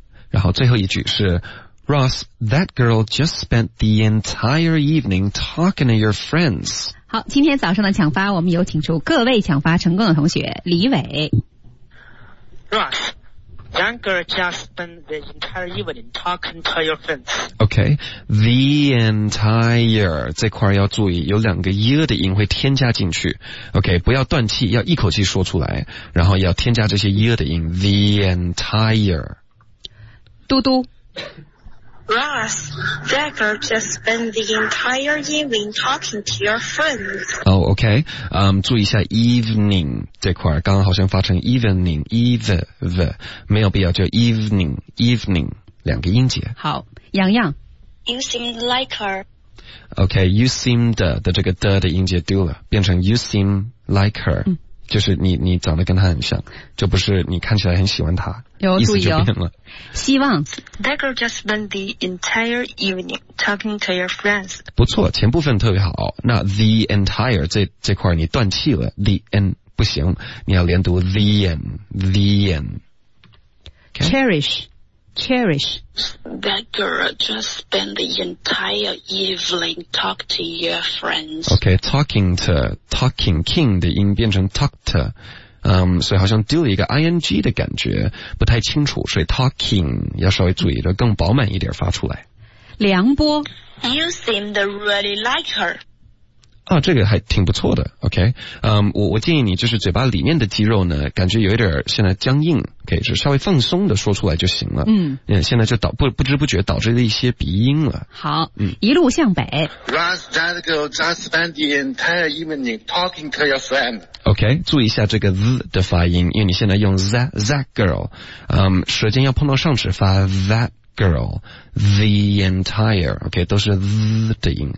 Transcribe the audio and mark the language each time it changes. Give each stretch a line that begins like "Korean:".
Chinese: 然后最后一句是
English: Ross, that girl just spent the entire evening talking to your friends。
Chinese: 好，今天早上的抢发，我们有请出各位抢发成功的同学，李伟。
English: Ross。 That girl just spent the entire evening talking to your friends.
Chinese: Okay, the entire 这块要注意，有两个 year 的音会添加进去。 Okay, 不要断气，要一口气说出来，然后要添加这些 year 的音。
English: The entire.
Chinese: 嘟嘟。
English: Ross, that girl just spent the entire evening talking to your friends.
Chinese: Oh, okay. 注意一下 evening 这块，刚刚好像发成 evening, eve, 没有必要，就 evening, evening 两个音节。好，洋洋。
English: You seem like her.
Chinese: Okay, you seem 的这个的音节丢了，变成
English: you seem like her.、
Chinese: 嗯就是你长得跟他很像，就不是你看起来很喜欢他，有意思就变了。希望
English: That girl just spent the entire evening talking to your friends。
Chinese: 不错，前部分特别好。那 the entire 这块你断气了 ，the en 不行，你要连读 the en the en、okay?。
English: Cherish, cherish. That girl just spent the entire evening talking to your friends.
Chinese: Okay, talking to. Talking king 的音变成 talked、所以好像丢了一个 ing 的感觉不太清楚所以 talking 要稍微注意的更饱满一点发出来梁波
English: You seem to really like her
Chinese: 啊，这个还挺不错的 OK、我建议你就是嘴巴里面的肌肉呢感觉有一点现在僵硬 OK 是稍微放松的说出来就行了 现在就不知不觉导致了一些鼻音了好、一路向北
English: Ross, that girl just spent the entire evening talking to your friend
Chinese: OK 注意一下这个 z 的发音因为你现在用 that girl、舌尖要碰到上齿发 that girl the entire OK 都是 z 的音